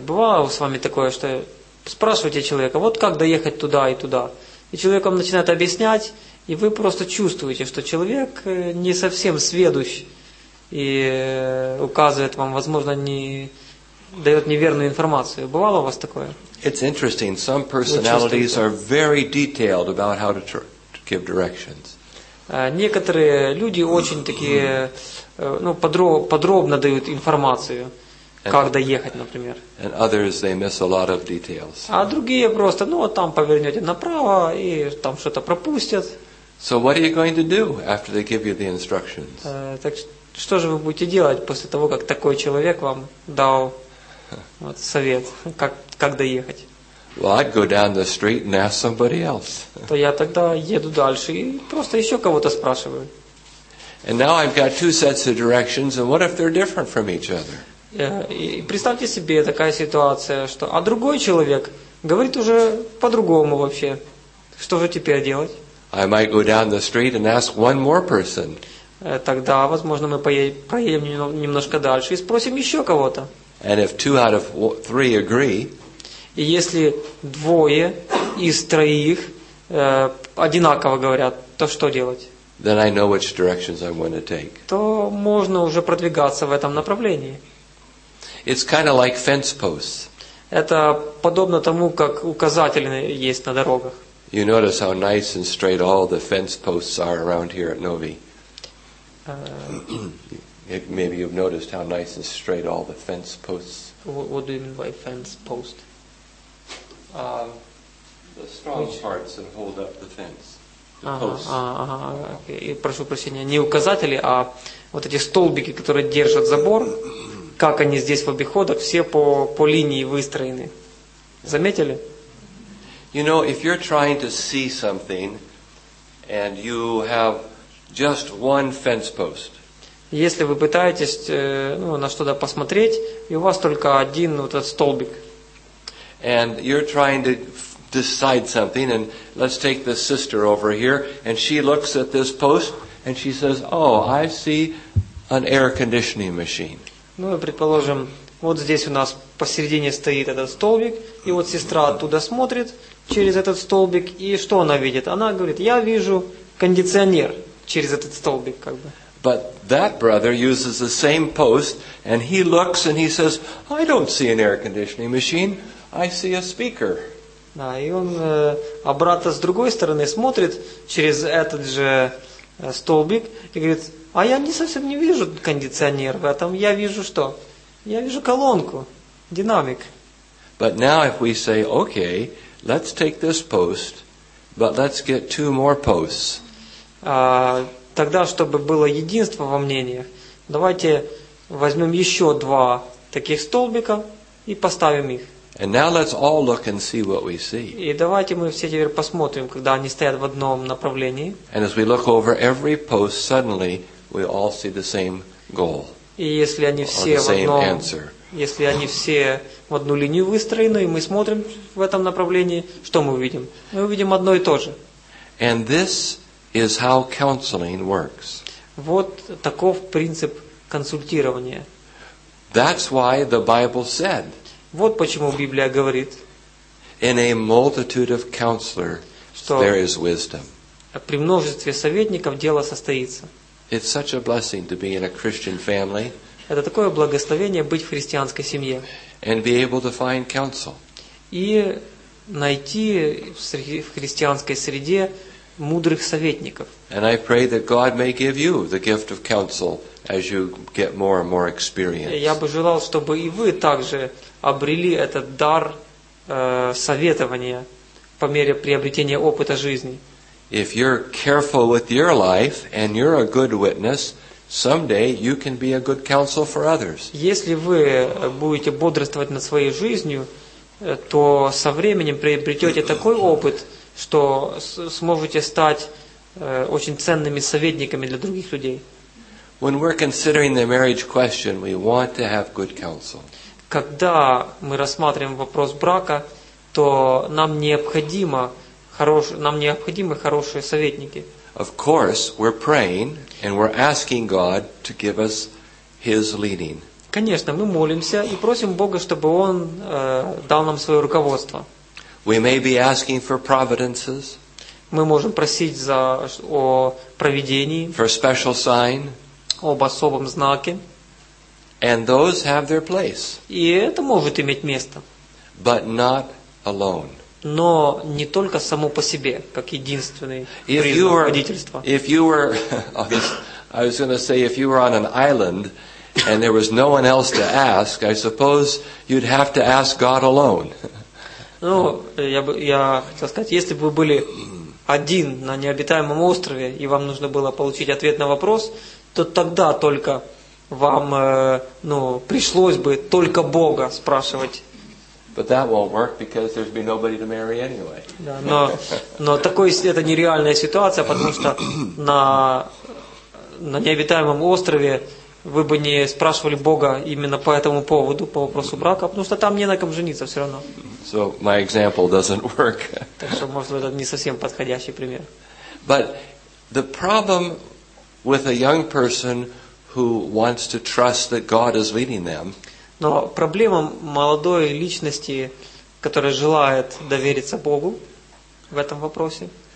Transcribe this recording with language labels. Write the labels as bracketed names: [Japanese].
[Russian] Бывало с вами такое, что спрашиваете человека, вот как доехать туда и туда, и человек вам начинает объяснять. И вы просто чувствуете, что человек не совсем сведущ и указывает вам, возможно, не дает неверную информацию. Бывало у вас такое? [English] It's interesting. Some personalities are very detailed about how to give directions. [Russian] Некоторые люди очень такие, подробно дают информацию, как доехать, например. [English] And others, they miss a lot of details. [Russian] А другие просто, там повернете направо и там что-то пропустят. [English] So what are you going to do after they give you the instructions? [Russian] Так что же вы будете делать после того, как такой человек вам дал совет, как доехать? [English] Well, I'd go down the street and ask somebody else. [Russian] То я тогда еду дальше и просто еще кого-то спрашиваю. [English] And now I've got two sets of directions, and what if they're different from each other? [Russian] И представьте себе такая ситуация, что а другой человек говорит уже по-другому вообще. Что же теперь делать? [English] I might go down the street and ask one more person. [Russian] Тогда, возможно, мы проедем немножко дальше и спросим еще кого-то. [English] And if two out of three agree, [Russian] и если двое из троих одинаково говорят, то что делать? [English] Then I know which directions I'm going to take. [Russian] То можно уже продвигаться в этом направлении. [English] It's kind of like fence posts. [Russian] Это подобно тому, как указатели есть на дорогах. [English] You notice how nice and straight all the fence posts are around here at Novi. Maybe you've noticed how nice and straight all the fence posts. What do you mean by fence post? The strong parts that hold up the fence. Okay. [Russian] Прошу прощения, не указатели, а вот эти столбики, которые держат забор, как они здесь в обиходах, все по линии выстроены. Заметили? [English] You know, if you're trying to see something and you have just one fence post. [Russian] Если вы пытаетесь ну, на что-то посмотреть, и у вас только один вот этот столбик. [English] And you're trying to decide something, and let's take this sister over here, and she looks at this post, and she says, oh, I see an air conditioning machine. [Russian] Ну, предположим, вот здесь у нас посередине стоит этот столбик, и вот сестра оттуда смотрит через этот столбик, и что она видит? Она говорит, я вижу кондиционер через этот столбик, как бы. [English] But that brother uses the same post, and he looks and he says, I don't see an air conditioning machine, I see a speaker. [Russian] Да, и он обратно с другой стороны смотрит через этот же столбик и говорит, а я не совсем не вижу кондиционер в этом, я вижу что? Я вижу колонку, динамик. [English] But now if we say, okay, let's take this post, but let's get two more posts. [Russian] Тогда, чтобы было единство во мнениях, давайте возьмем еще два таких столбика и поставим их. [English] And now let's all look and see what we see. [Russian] И давайте мы все теперь посмотрим, когда они стоят в одном направлении. [English] And as we look over every post, suddenly we all see the same goal. [Russian] И если они все в одном, если они все в одну линию выстроены, и мы смотрим в этом направлении, что мы увидим? Мы увидим одно и то же. [English] And this is how counseling works. [Russian] Вот таков принцип консультирования. [English] That's why the Bible said. [Russian] Вот почему Библия говорит. [English] In a multitude of counselors, there is wisdom. [Russian] При множестве советников дело состоится. [English] It's such a blessing to be in a Christian family. [Russian] Это такое благословение быть в христианской семье. [English] And be able to find counsel. [Russian] И найти в христианской среде мудрых советников. [English] And I pray that God may give you the gift of counsel as you get more and more experience. [Russian] Я бы желал, чтобы и вы также обрели этот дар советования по мере приобретения опыта жизни. [English] If you're careful with your life and you're a good witness, someday you can be a good counsel for others. [Russian] Если вы будете бодрствовать над своей жизнью, то со временем приобретете такой опыт, что сможете стать очень ценными советниками для других людей. [English] When we're considering the marriage question, we want to have good counsel. [Russian] Когда мы рассматриваем вопрос брака, то нам необходимо хорошие советники. [English] Of course, we're praying and we're asking God to give us His leading. [Russian] Конечно, мы молимся и просим Бога, чтобы Он дал нам свое руководство. [English] We may be asking for providences. [Russian] Мы можем просить за о провидении. [English] For special sign. [Russian] Об особом знаке. [English] And those have their place. [Russian] И это может иметь место. [English] But not alone. [Russian] Но не только само по себе, как единственный признак водительства. [English] If you were, I was going to say, if you were on an island and there was no one else to ask, I suppose you'd have to ask God alone. [Russian] Ну, я хотел сказать, если бы вы были один на необитаемом острове, и вам нужно было получить ответ на вопрос, то тогда только вам, ну, пришлось бы только Бога спрашивать. [English] But that won't work because there'd be nobody to marry anyway. [Russian] Да, но такой это нереальная ситуация, потому что на необитаемом острове вы бы не спрашивали Бога именно по этому поводу, по вопросу брака, потому что там не на ком жениться все равно. [English] So my example doesn't work. [Russian] Так что, может, это не совсем подходящий пример. [English] But the problem with a young person who wants to trust that God is leading them. [Russian] Но проблема молодой личности, которая желает довериться Богу в этом вопросе.